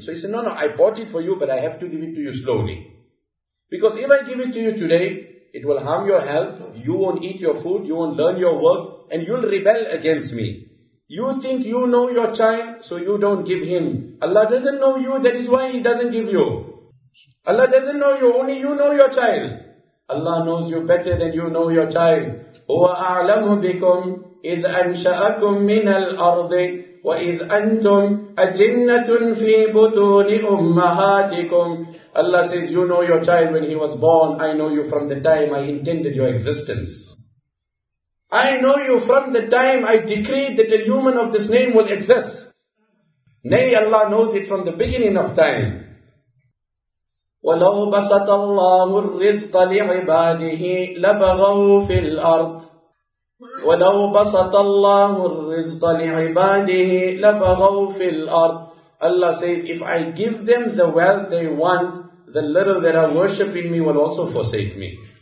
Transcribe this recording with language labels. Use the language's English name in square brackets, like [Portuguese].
[English] So he said, no, I bought it for you, but I have to give it to you slowly. Because if I give it to you today, it will harm your health, you won't eat your food, you won't learn your work, and you'll rebel against me. You think you know your child, so you don't give him. Allah doesn't know you, that is why he doesn't give you. Allah doesn't know you, only you know your child. Allah knows you better than you know your child. [Arabic] هُوَ أَعْلَمُ بِكُمْ إِذْ أَنْشَأَكُمْ مِنَ الْأَرْضِ وَإِذْ أَنْتُمْ أَجِنَّةٌ فِي بُطُونِ أُمَّهَاتِكُمْ [English] Allah says, you know your child when he was born. I know you from the time I intended your existence. I know you from the time I decreed that a human of this name will exist. Nay, Allah knows it from the beginning of time. [Arabic] وَلَوْ بَسَطَ اللَّهُ الرِّزْقَ لِعِبَادِهِ لَبَغَوْا فِي الْأَرْضِ [English] وَلَوْ بَسَطَ اللَّهُ الرِّزْقَ لِعِبَادِهِ لَبَغَوْا فِي الْأَرْضِ Allah says, if I give them the wealth they want, the little that are worshipping me will also forsake me.